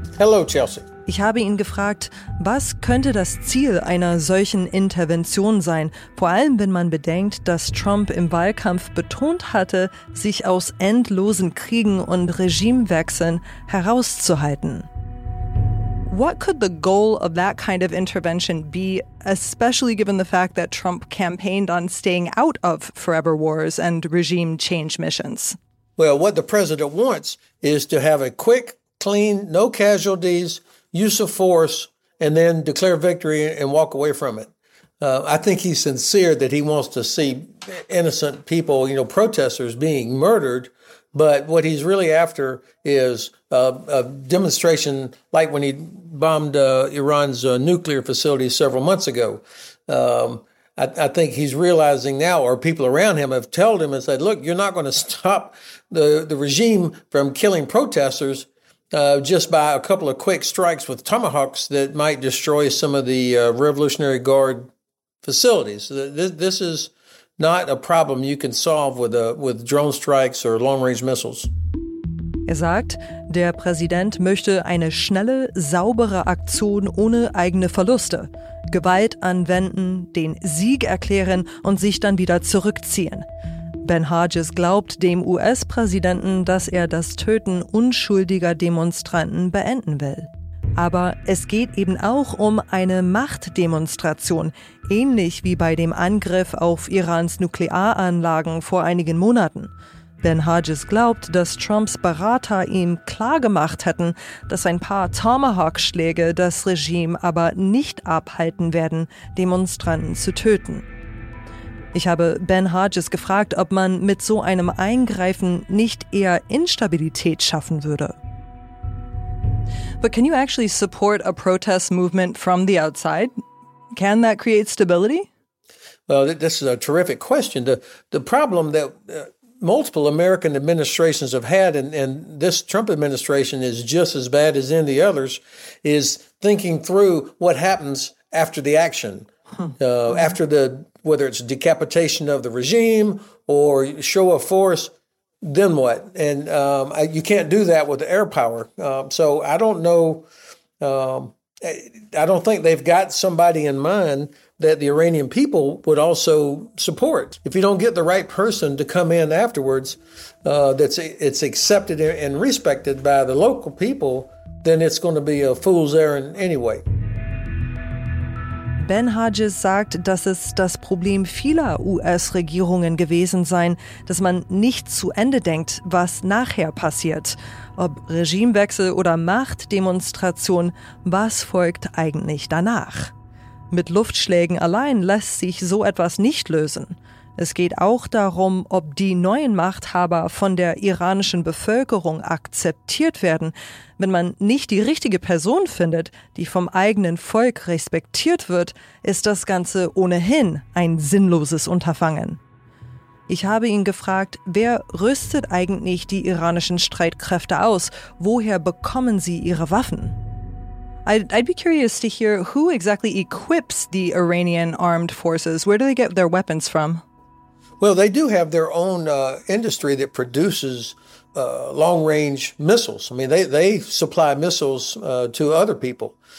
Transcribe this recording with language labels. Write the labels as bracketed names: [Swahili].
[English] Hello, Chelsea. [German] Ich habe ihn gefragt, was könnte das Ziel einer solchen Intervention sein? Vor allem, wenn man bedenkt, dass Trump im Wahlkampf betont hatte, sich aus endlosen Kriegen und Regimewechseln herauszuhalten. [English] What could the goal of that kind of intervention be, especially given the fact that Trump campaigned on staying out of forever wars and regime change missions? Well, what the president wants is to have a quick, clean, no casualties, use of force, and then declare victory and walk away from it. I think he's sincere that he wants to see innocent people, you know, protesters being murdered. But what he's really after is a demonstration like when he bombed Iran's nuclear facility several months ago. I think he's realizing now, or people around him have told him and said, look, you're not going to stop the regime from killing protesters. Just by a couple of quick strikes with tomahawks that might destroy some of the Revolutionary Guard facilities. This is not a problem you can solve with drone strikes or long-range missiles. [German] Er sagt, der Präsident möchte eine schnelle, saubere Aktion ohne eigene Verluste. Gewalt anwenden, den Sieg erklären und sich dann wieder zurückziehen. Ben Hodges glaubt dem US-Präsidenten, dass er das Töten unschuldiger Demonstranten beenden will. Aber es geht eben auch um eine Machtdemonstration, ähnlich wie bei dem Angriff auf Irans Nuklearanlagen vor einigen Monaten. Ben Hodges glaubt, dass Trumps Berater ihm klargemacht hätten, dass ein paar Tomahawk-Schläge das Regime aber nicht abhalten werden, Demonstranten zu töten. Ich habe Ben Hodges gefragt, ob man mit so einem Eingreifen nicht eher Instabilität schaffen würde. [English] But can you actually support a protest movement from the outside? Can that create stability? Well, this is a terrific question. The problem that multiple American administrations have had, and this Trump administration is just as bad as any of the others, is thinking through what happens after the action. After the, whether it's decapitation of the regime or show of force, then what? And you can't do that with air power. So I don't know. I don't think they've got somebody in mind that the Iranian people would also support. If you don't get the right person to come in afterwards, it's accepted and respected by the local people, then it's going to be a fool's errand anyway. [German] Ben Hodges sagt, dass es das Problem vieler US-Regierungen gewesen sein, dass man nicht zu Ende denkt, was nachher passiert. Ob Regimewechsel oder Machtdemonstration, was folgt eigentlich danach? Mit Luftschlägen allein lässt sich so etwas nicht lösen. Es geht auch darum, ob die neuen Machthaber von der iranischen Bevölkerung akzeptiert werden, wenn man nicht die richtige Person findet, die vom eigenen Volk respektiert wird, ist das Ganze ohnehin ein sinnloses Unterfangen. Ich habe ihn gefragt, wer rüstet eigentlich die iranischen Streitkräfte aus? Woher bekommen sie ihre Waffen? [English] I'd be curious to hear who exactly equips the Iranian armed forces. Where do they get their weapons from? Well, they do have their own industry that produces long-range missiles. I mean, they supply missiles to other people.